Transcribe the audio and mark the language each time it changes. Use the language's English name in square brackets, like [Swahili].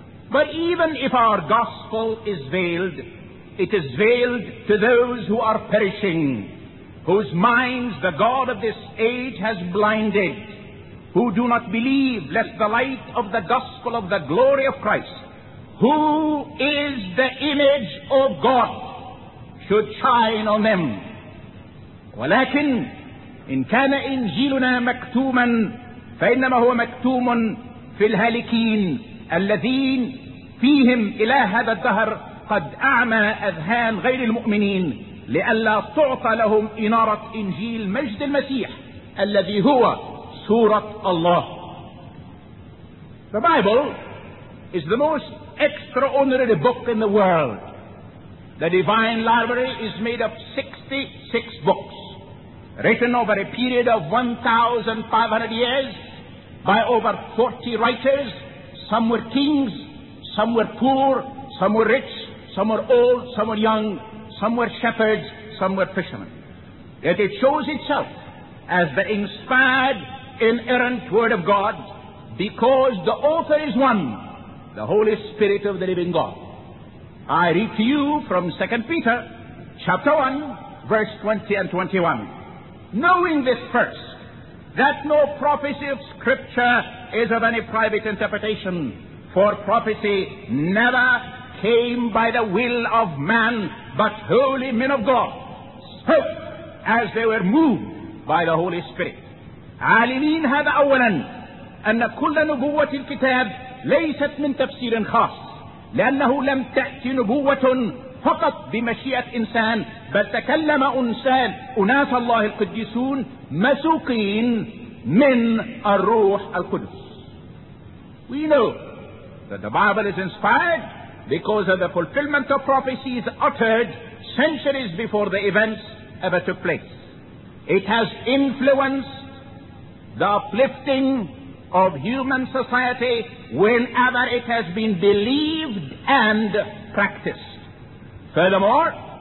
[English] "But even if our gospel is veiled, it is veiled to those who are perishing, whose minds the God of this age has blinded, who do not believe, lest the light of the gospel of the glory of Christ, who is the image of God, should shine on them. [Arabic] ولكن إن كان إنجيلنا مكتوما فإنما هو مكتوم في الهالكين الذين فيهم إلى هذا الدهر قد أعمى أذهان غير المؤمنين لئلا تعطى لهم إنارة إنجيل مجد المسيح الذي هو سورة الله." [English] The Bible is the most extraordinary book in the world. The Divine Library is made of 66 books, written over a period of 1,500 years by over 40 writers. Some were kings, some were poor, some were rich, some were old, some were young, some were shepherds, some were fishermen. Yet it shows itself as the inspired, inerrant Word of God, because the author is one, the Holy Spirit of the living God. I read to you from 2 Peter, chapter 1, verse 20 and 21. "Knowing this first, that no prophecy of Scripture is of any private interpretation, for prophecy never came by the will of man, but holy men of God spoke as they were moved by the Holy Spirit." [Arabic] عالمين هذا أولا أن كل نبوة الكتاب ليست من تفسير خاص. لأنه لم تأتي نبوة فقط بمشيئة إنسان، بل تكلم إنسان أناس الله القديسون مسوقين من الروح القدس. [English] We know that the Bible is inspired because of the fulfillment of prophecies uttered centuries before the events ever took place. It has influenced the uplifting of human society whenever it has been believed and practiced. Furthermore,